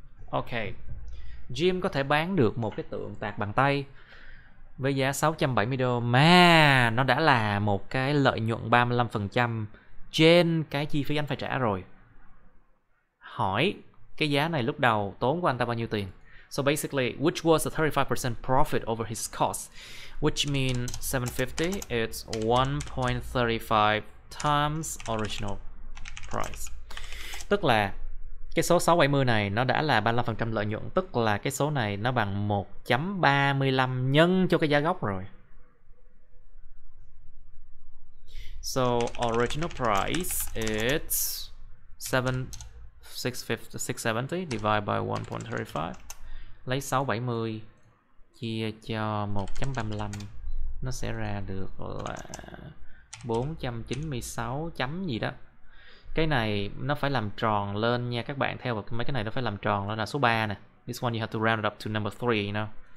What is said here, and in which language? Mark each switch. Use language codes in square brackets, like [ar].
[vi] Ok, Jim có thể bán được một cái tượng tạc bằng tay với giá 670 đô mà nó đã là một cái lợi nhuận 35% trên cái chi phí anh phải trả rồi. Hỏi cái giá này lúc đầu tốn của anh ta bao nhiêu tiền? [en] So basically, which was a 35% profit over his cost, which mean 750, it's 1.35 times original price. [vi] Tức là cái số 670 này nó đã là 35% lợi nhuận, tức là cái số này nó bằng 1.35 nhân cho cái giá gốc rồi. [en] So original price is 7650, divide by 1.35, [vi] lấy 670 chia cho 1.35 nó sẽ ra được là 496 chấm gì đó. Cái này nó phải làm tròn lên nha các bạn, theo vào mấy cái này nó phải làm tròn lên là số 3 nè. [en] This one you have to round it up to number 3, you know.